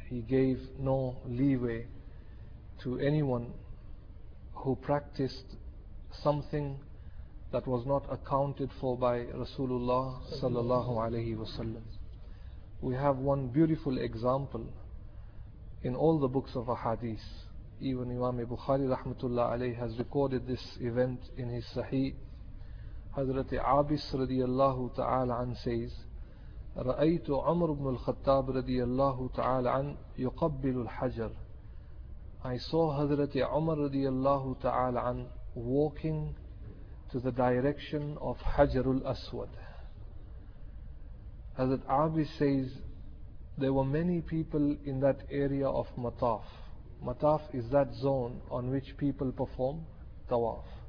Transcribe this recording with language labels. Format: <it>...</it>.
<en>He gave no leeway to anyone who practiced something that was not accounted for by Rasulullah sallallahu alaihi wasallam. We have one beautiful example in all the books of ahadith. Even Imam Bukhari rahmatullah alayhi has recorded this event in his Sahih.</en> <ar>Hazrat Abis radiyallahu ta'ala an says, رأيت عمر بن الخطاب رضي الله تعالى عن يقبل الحجر.</ar> <en>I saw Hazrat Umar</en> <ar>رضي الله تعالى عن</ar> <en>walking to the direction of حجر الأسود. Hazrat Abi says there were many people in that area of Mataf. Mataf is that zone on which people perform tawaf.</en>